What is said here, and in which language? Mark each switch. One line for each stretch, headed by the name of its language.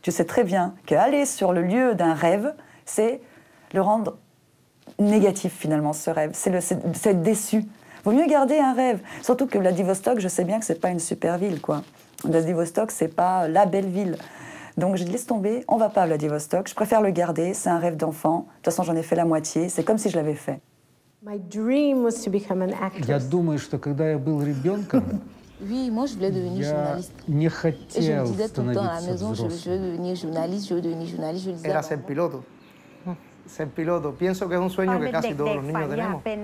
French: Tu sais très bien qu'aller sur le lieu d'un rêve, c'est le rendre négatif finalement ce rêve, c'est déçu. Vaut mieux garder un rêve, surtout que Vladivostok, je sais bien que c'est pas une super ville quoi. Vladivostok, c'est pas la belle ville. Donc je laisse tomber, on va pas à Vladivostok, je préfère le garder, c'est un rêve d'enfant. De toute façon, j'en ai fait la moitié, c'est comme si je l'avais fait.
English: My dream was to become an actress.
Russian: Я думаю, что когда я был ребёнком,
French: oui, moi je voulais devenir journaliste.
Russian: Не хотел.
French: Je me disais tout le temps à la maison, je veux devenir journaliste, je le disais.
Spanish: Era ser piloto. Ser piloto. Pienso que es un sueño que casi todos los niños tenemos.